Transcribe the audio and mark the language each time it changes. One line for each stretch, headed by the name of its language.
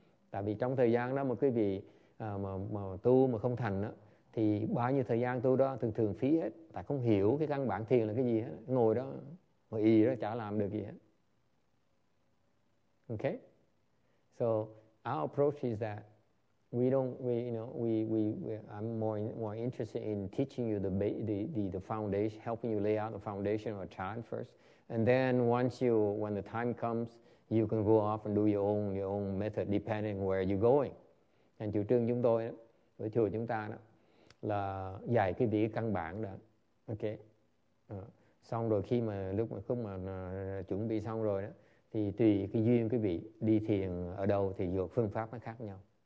Vietnamese: Tại vì trong thời gian đó mà quý vị mà tu mà không thành đó, thì bao nhiêu thời gian tu đó thường thường phí hết. Tại không hiểu cái căn bản thiền là cái gì hết. Ngồi đó, ngồi y đó chả làm được gì hết.
English: Okay? So our approach is that I'm more interested in teaching you the foundation, helping you lay out the foundation of a chan first. And then when the time comes, you can go off and do your own method depending where you're going.
Vietnamese: And chủ trương chúng tôi, với chùa chúng ta đó, là dạy cái vị căn bản đó. Okay. Xong rồi khi mà lúc mà không mà chuẩn bị xong rồi đó, thì tùy cái duyên cái vị đi thiền ở đâu thì dược phương pháp nó khác nhau.